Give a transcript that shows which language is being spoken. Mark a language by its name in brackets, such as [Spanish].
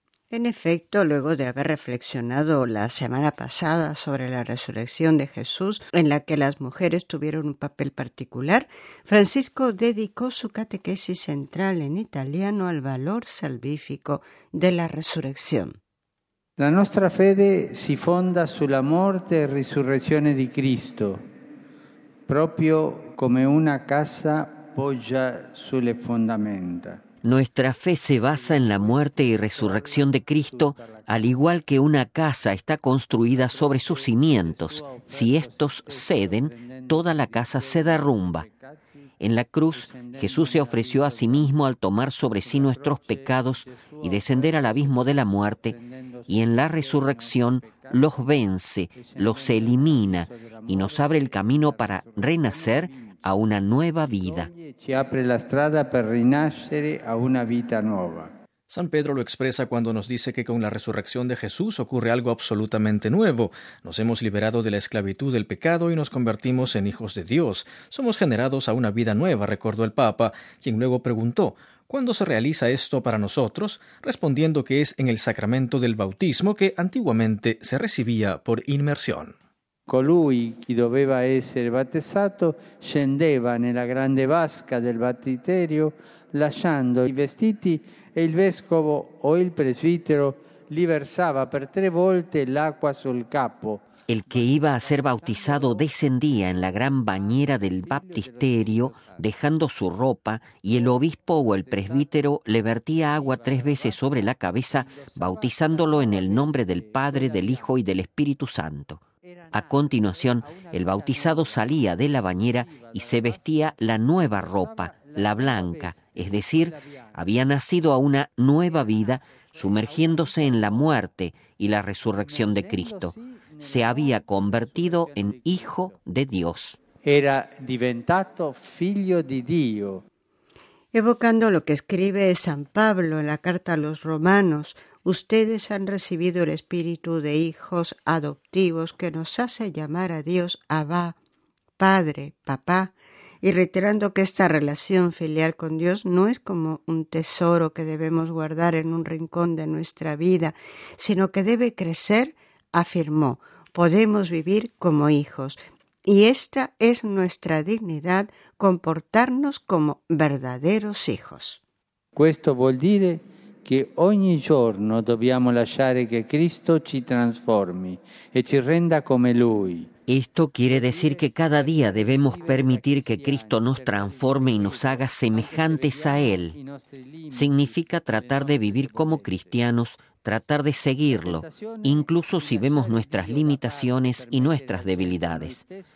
[Spanish] En efecto, luego de haber reflexionado la semana pasada sobre la resurrección de Jesús, en la que las mujeres tuvieron un papel particular, Francisco dedicó su catequesis central en italiano al valor salvífico de la resurrección. [Italian] La nostra fede si fonda sulla morte e risurrezione di Cristo, proprio come una casa poggia sulle fondamenta. [Spanish] Nuestra fe se basa en la muerte y resurrección de Cristo, al igual que una casa está construida sobre sus cimientos. Si estos ceden, toda la casa se derrumba. En la cruz, Jesús se ofreció a sí mismo al tomar sobre sí nuestros pecados y descender al abismo de la muerte, y en la resurrección los vence, los elimina y nos abre el camino para renacer a una nueva vida. [Italian] Ci apre la strada per rinascere a una vita nuova. [Spanish] San Pedro lo expresa cuando nos dice que con la resurrección de Jesús ocurre algo absolutamente nuevo. Nos hemos liberado de la esclavitud del pecado y nos convertimos en hijos de Dios. Somos generados a una vida nueva, recordó el Papa, quien luego preguntó, ¿cuándo se realiza esto para nosotros? Respondiendo que es en el sacramento del bautismo que antiguamente se recibía por inmersión. [Italian] Colui che doveva essere battezzato scendeva nella grande vasca del battiterio lasciando i vestiti e il vescovo o il presbitero li versava per tre volte l'acqua sul capo. [Spanish] El que iba a ser bautizado descendía en la gran bañera del baptisterio dejando su ropa y el obispo o el presbítero le vertía agua tres veces sobre la cabeza bautizándolo en el nombre del Padre, del Hijo y del Espíritu Santo. A continuación, el bautizado salía de la bañera y se vestía la nueva ropa, la blanca, es decir, había nacido a una nueva vida, sumergiéndose en la muerte y la resurrección de Cristo. Se había convertido en Hijo de Dios. [Italian] Era diventato figlio di Dio. [Spanish] Evocando lo que escribe San Pablo en la carta a los Romanos, ustedes han recibido el espíritu de hijos adoptivos que nos hace llamar a Dios Abba, Padre, Papá, y reiterando que esta relación filial con Dios no es como un tesoro que debemos guardar en un rincón de nuestra vida, sino que debe crecer, afirmó, podemos vivir como hijos. Y esta es nuestra dignidad, comportarnos como verdaderos hijos. [Italian] Esto vuol dire che ogni giorno dobbiamo lasciare che Cristo ci trasformi e ci renda come Lui. [Spanish] Esto quiere decir que cada día debemos permitir que Cristo nos transforme y nos haga semejantes a Él. Significa tratar de vivir como cristianos, tratar de seguirlo, incluso si vemos nuestras limitaciones y nuestras debilidades.